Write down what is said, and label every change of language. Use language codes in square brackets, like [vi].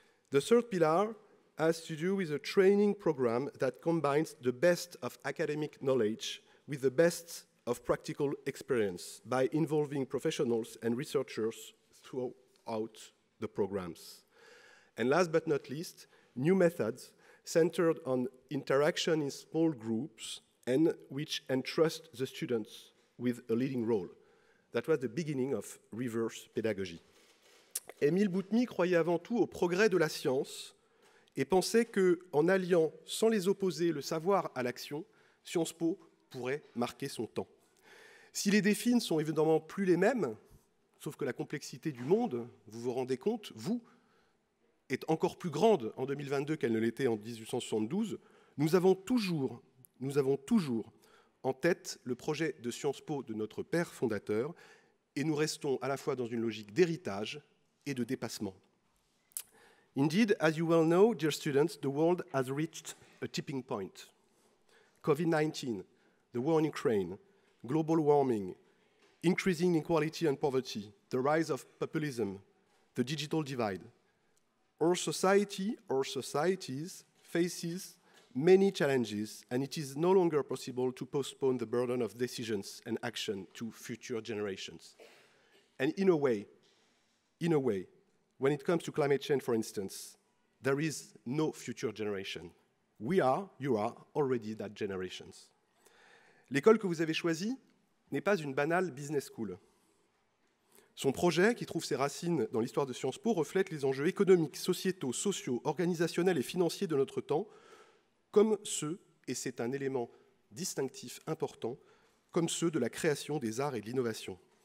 [en] The third pillar has to do with a training program that combines the best of academic knowledge with the best of practical experience by involving professionals and researchers throughout the programs. And last but not least, new methods centered on interaction in small groups and which entrust the students with a leading role. That was the beginning of reverse pedagogy. [fr] Émile Boutmy croyait avant tout au progrès de la science et pensait que, en alliant sans les opposer le savoir à l'action, Sciences Po pourrait marquer son temps. Si les défis ne sont évidemment plus les mêmes, sauf que la complexité du monde, vous vous rendez compte, vous, est encore plus grande en 2022 qu'elle ne l'était en 1872, nous avons toujours en tête le projet de Sciences Po de notre père fondateur et nous restons à la fois dans une logique d'héritage et de dépassement. [en] Indeed, as you well know, dear students, the world has reached a tipping point. COVID-19, the war in Ukraine, global warming, increasing inequality and poverty, the rise of populism, the digital divide. Our society, our societies, faces many challenges, and it is no longer possible to postpone the burden of decisions and action to future generations. And in a way, when it comes to climate change, for instance, there is no future generation. You are already that generation. [fr] L'école que vous avez choisie n'est pas une banale business school. Son projet, qui trouve ses racines dans l'histoire de Sciences Po, reflète les enjeux économiques, sociétaux, sociaux, organisationnels et financiers de notre temps, comme ceux, et c'est un élément distinctif important, comme ceux de la création des arts et de l'innovation.